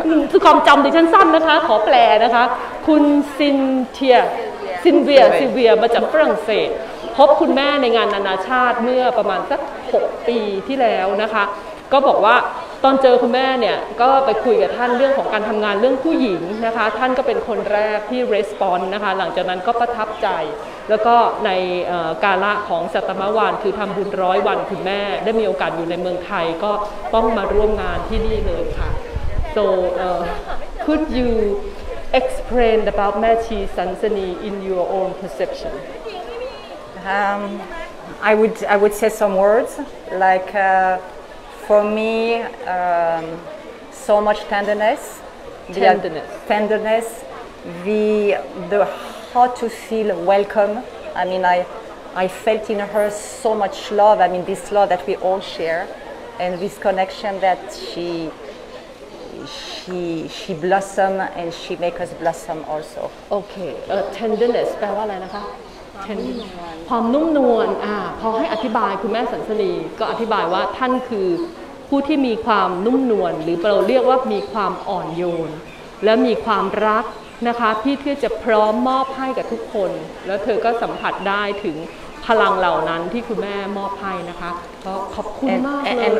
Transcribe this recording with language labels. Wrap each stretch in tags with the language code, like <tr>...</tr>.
<th>คือความจำดิฉันสั้นนะคะขอแปลนะคะคุณซินเทียซินเวียซินเวียมาจากฝรั่งเศสพบคุณแม่ในงานนานาชาติเมื่อประมาณสัก6ปีที่แล้วนะคะก็บอกว่าตอนเจอคุณแม่เนี่ยก็ไปคุยกับท่านเรื่องของการทำงานเรื่องผู้หญิงนะคะท่านก็เป็นคนแรกที่รีสปอนส์นะคะหลังจากนั้นก็ประทับใจแล้วก็ใน กาละของสัตมวันคือทำบุญร้อยวันคุณแม่ได้มีโอกาสอยู่ในเมืองไทยก็ต้องมาร่วมงานที่นี่เลยค่ะ</th> <en>So could you explain about แม่ชีสันสนี in your own perception I would say some words likeFor me, so much tenderness, the how to feel welcome. I mean, I felt in her so much love. I mean, this love that we all share, and this connection that she blossom and she make us blossom also.</en> <th>Okay, tenderness. แปลว่าอะไรนะคะ ความนุ่มนวลพอให้อธิบายคุณแม่สันสนีก็อธิบายว่าท่านคือผู้ที่มีความนุ่มนวลหรือเราเรียกว่ามีความอ่อนโยนและมีความรักนะคะที่เธอจะพร้อมมอบให้กับทุกคนแล้วเธอก็สัมผัสได้ถึงพลังเหล่านั้นที่คุณแม่มอบให้นะคะก็ขอบคุณมากเลย</th>